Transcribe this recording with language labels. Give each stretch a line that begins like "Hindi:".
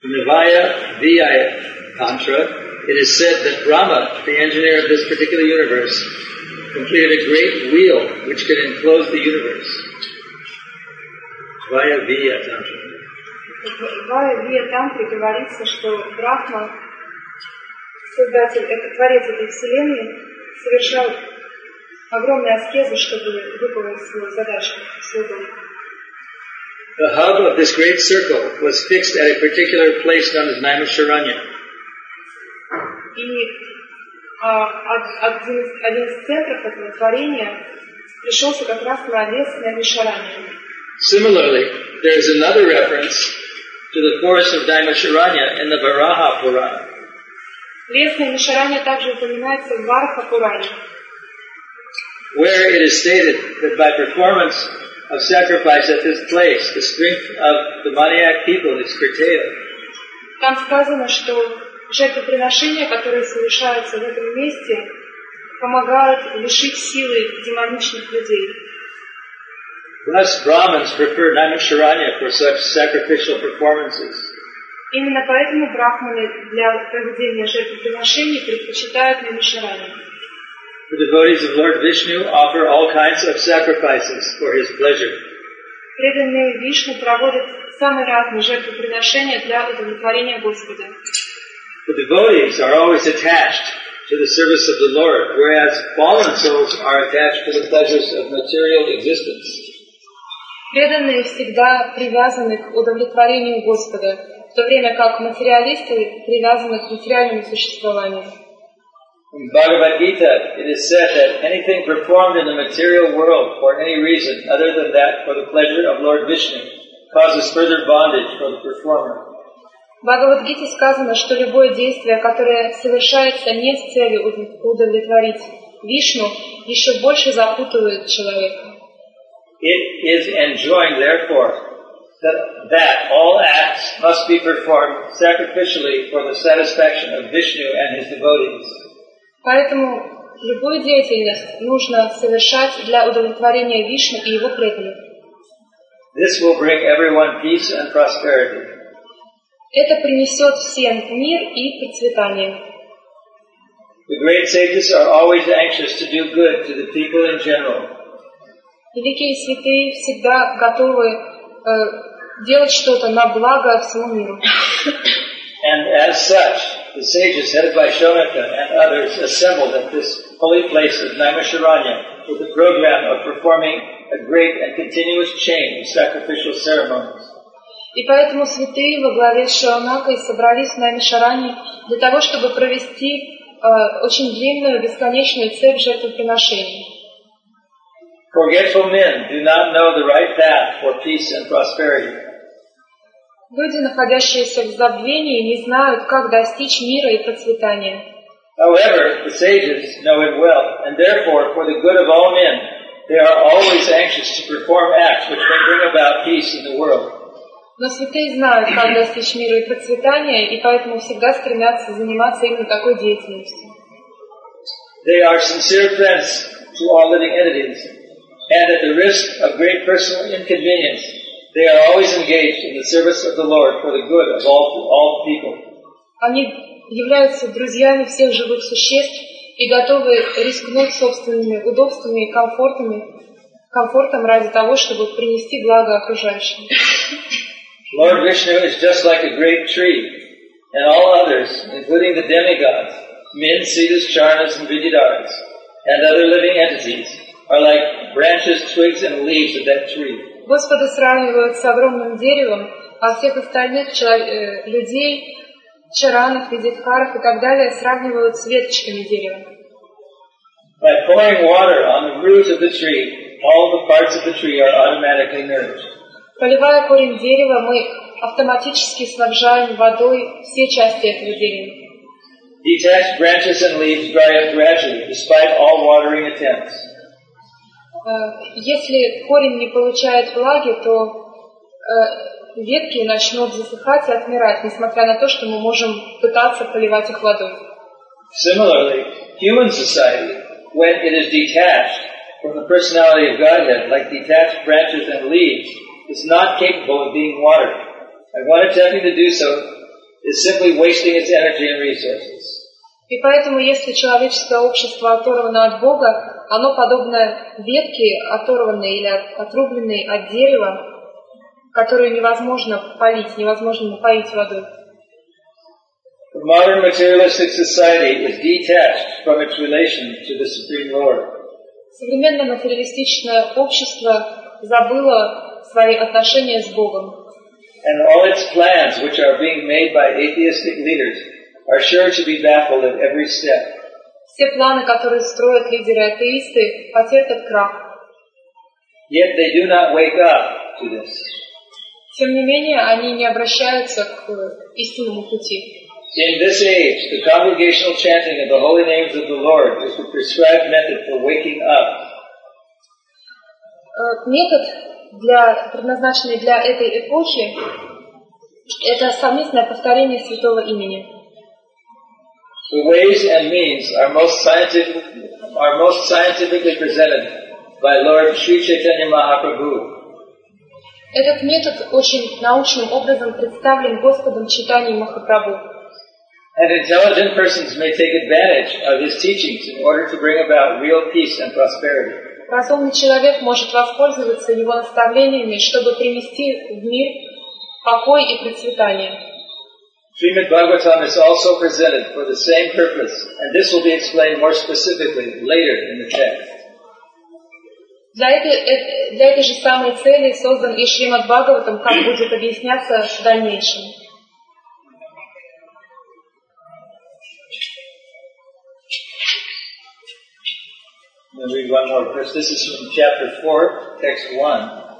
English: Nirvaya Vaya Tantra, it is said that Brahma, the engineer of this particular universe, completed a great wheel which could enclose the universe. Vaya Vaya Tantra.
Russian: Вая Вия Тантре говорится, что Брахма, создатель, это творец этой вселенной, совершал огромные аскезы, чтобы выполнить свою задачу, свой дом.
English: The hub of this great circle was fixed at a particular place known as Naimisharanya.
Russian: И один из центров этого творения пришелся как раз на лес Наймишаранья.
English: Similarly, there is another reference to the forest of Naimisharanya in the Varaha Purana.
Russian: Лес Наймишаранья также упоминается в Вараха Пуране.
English: Where it is stated that by performance of sacrifice at this place, the strength of the demoniac people is curtailed.
Russian: Там сказано, что жертвоприношения, которые совершаются в этом месте, помогают лишить силы демоничных людей.
English: Thus, Brahmins prefer Naimisharanya for such sacrificial performances.
Russian: Именно поэтому брахманы для проведения жертвоприношений предпочитают Наймишаранья.
English: The devotees of Lord Vishnu offer all kinds of sacrifices for his pleasure.
Russian: Преданные Вишну проводят самые разные жертвоприношения для удовлетворения Господа.
English: The devotees are always attached to the service of the Lord, whereas fallen souls are attached to the pleasures of material existence.
Russian: Преданные всегда привязаны к удовлетворению Господа, в то время как материалисты привязаны к материальному существованию.
English: In Bhagavad Gita, it is said that anything performed in the material world for any reason other than that for the pleasure of Lord Vishnu causes further bondage for the performer.
Russian: Bhagavad Gita сказано, что любое действие, которое совершается не с целью удовлетворить Вишну, еще больше запутывает человека.
English: It is enjoined, therefore, that all acts must be performed sacrificially for the satisfaction of Vishnu and his devotees.
Russian: Поэтому любую деятельность нужно совершать для удовлетворения Вишны и его преданных.
English: This will bring everyone peace and prosperity.
Russian: Это принесет всем мир и процветание.
English: The great sages are always anxious to do good to the people in general.
Russian: Великие святые всегда готовы делать что-то на благо всему миру.
English: And as such, the sages headed by Shonaka and others assembled at this holy place of Naimisharanya with the program of performing a great and continuous chain of sacrificial ceremonies.
Russian: И поэтому святые во главе с Шонакой собрались в Наймишаранье для того, чтобы провести очень длинную, бесконечную цепь жертвоприношений.
English: Forgetful men do not know the right path for peace and prosperity.
Russian: Люди, находящиеся в забвении, не знают, как достичь мира и процветания.
English: However, the sages know it well, and therefore, for the good of all men, they are always anxious to perform acts which may bring about peace in the world.
Russian: Но святые знают, как достичь мира и процветания, и поэтому всегда стремятся заниматься именно такой деятельностью.
English: They are sincere friends to all living entities, and at the risk of great personal inconvenience, they are always engaged in the service of the Lord for the good of all people.
Russian: Они являются друзьями всех живых существ и готовы рискнуть собственными удобствами и комфортом ради того, чтобы принести благо окружающим.
English: Lord Vishnu is just like a great tree, and all others, including the demigods, men, siddhas, charnas, and vidyadharas, and other living entities, are like branches, twigs, and leaves of that tree.
Russian: Господа сравнивают с огромным деревом, а всех остальных людей, чаранов, видитхаров и так далее, сравнивают с веточками дерева.
English: By pouring water on the root of the tree, all the parts of the tree are automatically nourished.
Russian: Поливая корень дерева, мы автоматически снабжаем водой все части этого дерева.
English: Detached branches and leaves dry up gradually, despite all watering attempts.
Russian: Если корень не получает влаги, то ветки начнут засыхать и отмирать, несмотря на то, что мы можем пытаться поливать их водой.
English: Similarly, human society, when it is detached from the personality of Godhead, like detached branches and leaves, is not capable of being watered. And when attempting to do so, is simply wasting its energy and resources.
Russian: И поэтому, если человеческое общество оторвано от Бога, оно подобно ветке, оторванной или отрубленной от дерева, которую невозможно полить, невозможно напоить водой.
English: The modern materialistic society is detached from its relation to the Supreme Lord.
Russian: Современное материалистическое общество забыло свои отношения с Богом.
English: And all its plans, which are being made by atheistic leaders, are sure to be baffled at every step.
Russian: Все планы, которые строят лидеры-атеисты, потерпят крах.
English: Yet they do not wake up to this.
Russian: Тем не менее, они не обращаются к истинному пути.
English: In this age, the congregational chanting of the holy names of the Lord is the prescribed method for waking up.
Russian: Метод, предназначенный для этой эпохи, это совместное повторение святого имени.
English: The ways and means are most scientifically presented by Lord Sri Chaitanya Mahaprabhu.
Russian: Этот метод очень научным образом представлен Господом Чайтанья Махапрабху.
English: And intelligent persons may take advantage of his teachings in order to bring about real peace and prosperity.
Russian: Разумный человек может воспользоваться его наставлениями, чтобы принести в мир покой и процветание.
English: Srimad Bhagavatam is also presented for the same purpose, and this will be explained more specifically later in the text.
Russian: Для этой же самой цели создан и Шримад Бхагаватам, как будет объясняться в дальнейшем.
English: Let me read one more verse. This is from chapter 4, text 1.